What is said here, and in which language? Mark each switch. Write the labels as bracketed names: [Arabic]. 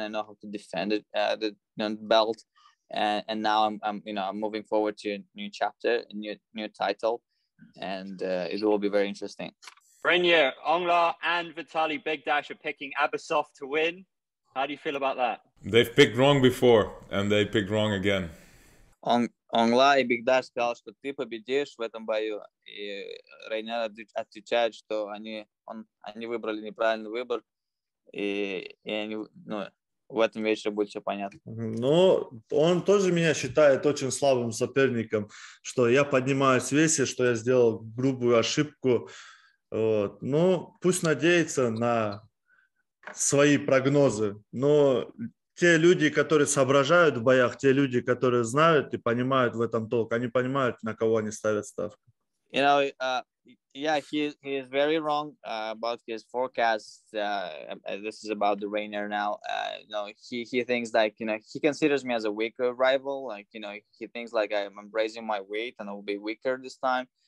[English] I know how to defend it, the belt. And now I'm moving forward to a new chapter, a new title, and it will be very interesting. Reinier, Ongla, and Vitali Big Dash are picking Abbasov to win. How do you feel about that? They've picked wrong before, and they picked wrong again. [Russian] Ongla и Big Dash сказал, что ты победишь в этом бою. И Reinier отвечает, что они выбрали неправильный выбор. И они, ну, в этом вечере будет все понятно. Ну, он тоже меня считает очень слабым соперником, что я поднимаюсь в весе, что я сделал грубую ошибку. Вот. Ну, пусть надеется на свои прогнозы. Но те люди, которые соображают в боях, те люди, которые знают и понимают в этом толк, они понимают, на кого они ставят ставку. [English] You know, he is very wrong about his forecast. This is about the Reinier now. You know, he thinks like, you know, he considers me as a weaker rival. Like, you know, he thinks like I'm raising my weight and I will be weaker this time.